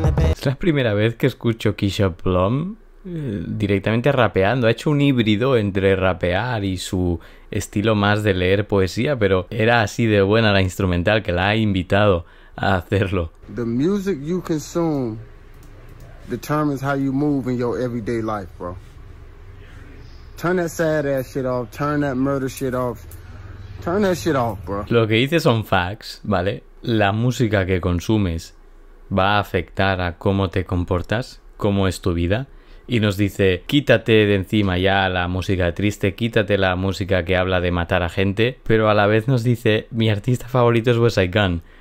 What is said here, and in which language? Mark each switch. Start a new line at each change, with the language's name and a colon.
Spanish: Es la primera vez que escucho Keisha Plum directamente rapeando. Ha hecho un híbrido entre rapear y su estilo más de leer poesía, pero era así de buena la instrumental que la ha invitado a hacerlo.
English: The music you consume determines how you move in your everyday life, bro. Turn that sad ass shit off, turn that murder shit off, turn that shit off, bro.
Spanish: Lo que dice son facts, ¿vale? La música que consumes va a afectar a cómo te comportas, cómo es tu vida. Y nos dice, quítate de encima ya la música triste, quítate la música que habla de matar a gente. Pero a la vez nos dice, mi artista favorito es West Side Gunn.